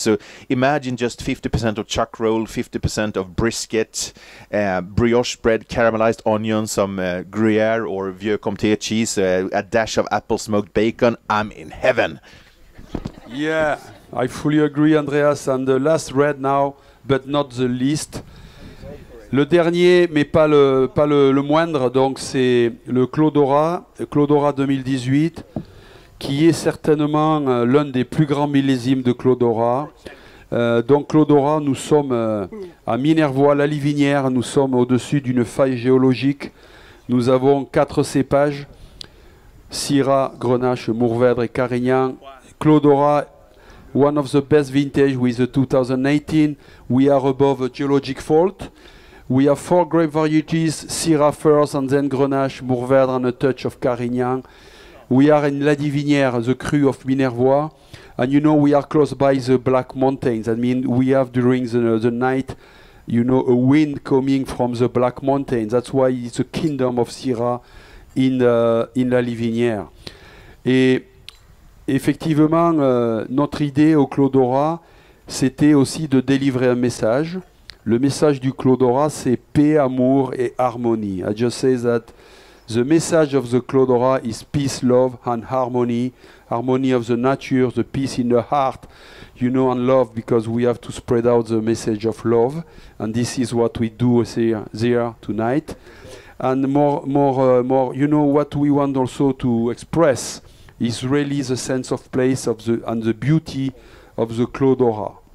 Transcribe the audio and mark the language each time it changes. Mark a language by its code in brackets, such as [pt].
[en] So imagine just 50% of chuck roll, 50% of brisket, brioche bread, caramelized onion, some Gruyere or Vieux Comté cheese, a dash of apple smoked bacon. I'm in heaven. Yeah, I fully agree, Andreas. And the last red now, but not the least. [fr] Le dernier, mais pas le moindre, donc c'est le Clos d'Aura 2018, qui est certainement l'un des plus grands millésimes de Clos d'Aura. Donc Clos d'Aura, nous sommes à Minervois-la-Livinière, nous sommes au-dessus d'une faille géologique. Nous avons quatre cépages, Syrah, Grenache, Mourvèdre et Carignan. [en] Clos d'Aura, one of the best vintage with the 2018. We are above a geologic fault. We have four grape varieties, Syrah first and then Grenache, Mourvèdre and a touch of Carignan. We are in La Divinière, the crew of Minervois. And you know, we are close by the Black Mountains. I mean, we have during the night, you know, a wind coming from the Black Mountains. That's why it's a kingdom of Syrah in La Divinière. [fr] Et effectivement, notre idée au Clos d'Aura, c'était aussi de délivrer un message. Le message du Clos d'Aura, c'est paix, amour et harmonie. [en] I just say that the message of the Clos d'Aura is peace, love and harmony. Harmony of the nature, the peace in the heart, you know, and love, because we have to spread out the message of love. And this is what we do there tonight. And more, you know, what we want also to express is really the sense of place of the and the beauty of the Clos d'Aura.